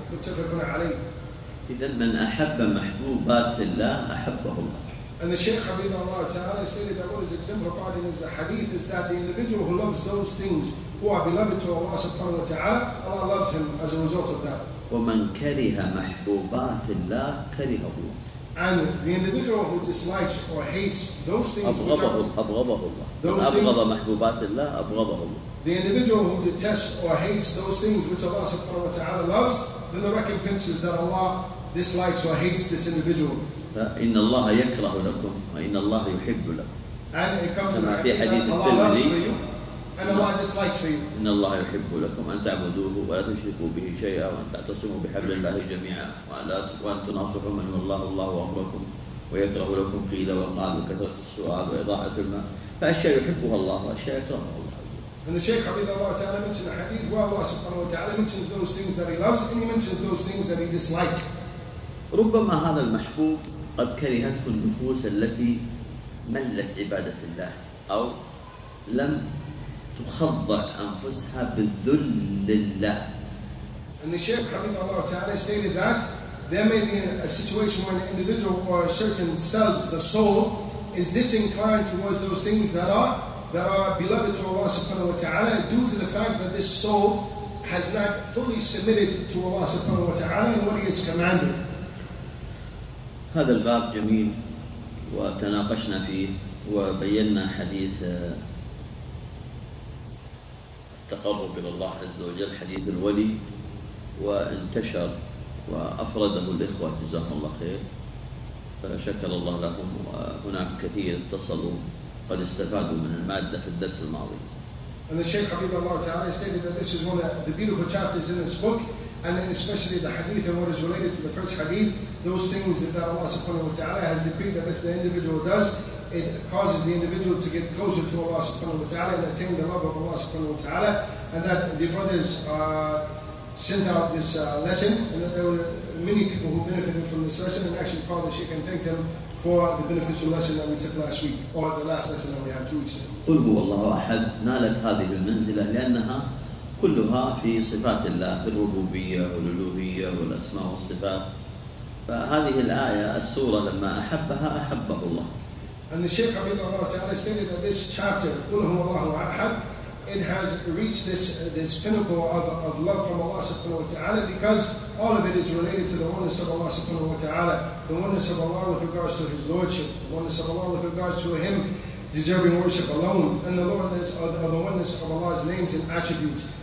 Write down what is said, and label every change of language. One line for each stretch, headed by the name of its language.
Arabic: متفق عليه. إذن من أحب محبوبات الله أحبه الله.
English: And the Shaykh Hamid al-Wa'ala stated that what is exemplified in his hadith is that the individual who loves those things who are beloved to Allah subhanahu wa ta'ala, Allah loves him as a result of that.
Arabic: وَمَنْ كَرِهَ مَحْبُوبَاتِ اللَّهِ كَرِهَ اللَّهِ.
English: And the individual who dislikes or hates those things
Arabic: أبغضه,
English: which are...
Arabic: أبغضه الله. من أبغض محبوبات الله أبغضه الله.
English: The individual who detests or hates those things which Allah subhanahu wa ta'ala loves, then the recompense is that Allah dislikes or hates this individual.
Arabic: إن الله يكره لكم وإن الله يحب لكم.
English: And it comes in the hadith that Allah loves for you and Allah dislikes for you.
Arabic: إن الله يحب لكم أن تعبدوه ولا تشركوا به شيئا وأن تعتصموا بحبل الله جميعا وأن تناصحوا من والله الله أمركم ويكره لكم قيل وقال وكثرة السؤال وإضاعة المال فأشياء يحبها الله وأشياء يكرهها الله.
English: And the Shaykh Hamid al-Wa'ala mentions in a hadith where Allah subhanahu wa ta'ala mentions those things that he loves and he mentions those things that he dislikes.
Arabic: ربما هذا المحبوب قد كرهته النفوس التي ملت عبادة الله أو لم تخضع أنفسها بالذل لله.
English: And the Shaykh Hamid al-Wa'ala ta'ala stated that there may be a situation where an individual or a certain self, the soul, is disinclined towards those things that are beloved to Allah subhanahu wa ta'ala due to the fact that this soul has not fully submitted to Allah subhanahu wa ta'ala and what he is commanding.
Arabic: هذا الباب جميل وتناقشنا فيه وبينا حديث التقرب إلى الله عز وجل حديث الولي وانتشر وأفرده الإخوة جزاهم الله خير فشكر الله لهم وهناك كثير اتصلوا قد استفادوا من المادة في الدرس الماضي.
English: And the Shaykh Hamid al-Wa'ala ta'ala stated that this is one of the beautiful chapters in this book and especially the hadith and what is related to the first hadith, those things that Allah subhanahu wa ta'ala has decreed that if the individual does, it causes the individual to get closer to Allah subhanahu wa ta'ala and attain the love of Allah subhanahu wa ta'ala, and that the brothers sent out this lesson and that there were many people who benefited from this lesson and actually called the Shaykh and thanked him for the beneficial lesson that we took last week or the last lesson that we had 2 weeks ago.
Arabic: قل هو الله أحد نالت هذه المنزلة لأنها كلها في صفات الله الربوبية والألوهية والأسماء والصفات فهذه الآية السورة لما أحبها أحبه الله.
English: And the Shaykh Hamid al-Wa'ala ta'ala stated that this chapter قل هو الله أحد it has reached this pinnacle of love from Allah subhanahu wa ta'ala because all of it is related to the oneness of Allah subhanahu wa ta'ala, the oneness of Allah with regards to His Lordship, the oneness of Allah with regards to Him deserving worship alone, and the Lordness of the oneness of Allah's names and attributes.